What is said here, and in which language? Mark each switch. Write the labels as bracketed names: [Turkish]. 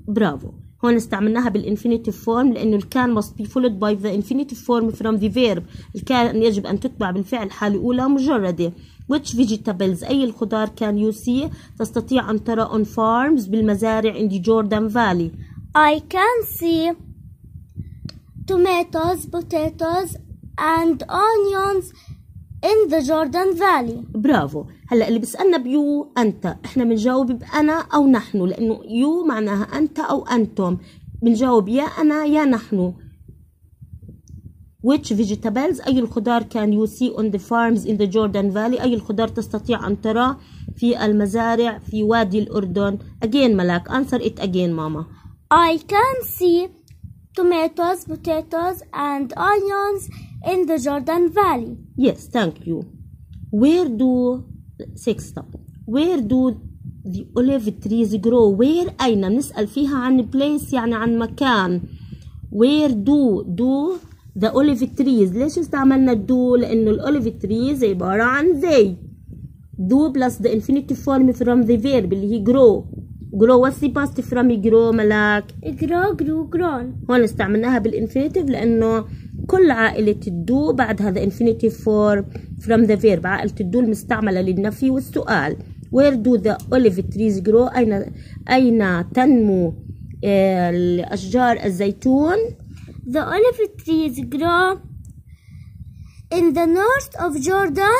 [English] Bravo. [Arabic] هون استعملناها [English] بالinfinitive form لأنه الكان must be followed by the infinitive form from the verb. [Arabic] الكان يجب أن تتبع بالفعل حالة أولى مجردة. [English] Which vegetables? [Arabic] أي الخضار [English] can you see? [Arabic] تستطيع أن ترى [English] on farms [Arabic] بالمزارع [English] in the Jordan Valley. I can see tomatoes, potatoes and onions in the Jordan Valley. [Arabic] برافو. هلا اللي بسألنا بيو انت, احنا بنجاوب بانا او نحن لانه يو معناها انت او انتم. بنجاوب يا انا يا نحن. [English] Which vegetables, [Arabic] اي الخضار [English] can you see on the farms in the Jordan Valley, [Arabic] اي الخضار تستطيع ان ترى في المزارع في وادي الاردن. [English] Again, Malak, answer it again, mama. I can see tomatoes, potatoes and onions in the Jordan Valley. Yes, thank you. Where do six stop? Where do the olive trees grow? [Arabic] Where أين نسأل فيها عن place يعني عن مكان. [English] Where do the olive trees, [Arabic] ليش استعملنا [English] do؟ [Arabic] لأنه [English] olive trees [Arabic] عبارة عن [English] they. Do plus the infinitive form from the verb [Arabic] اللي هي [English] grow. Grow, what's the past from grow, Malak? Grow, grew, grown. [Arabic] هون استعملناها بالinfinitive لأنه كل عائلة الدو بعد هذا infinity form from the verb. عائلة الدو المستعملة للنفي والسؤال. [English] Where do the olive trees grow? [Arabic] أين تنمو الأشجار الزيتون؟ [English] The olive trees grow in the north of Jordan.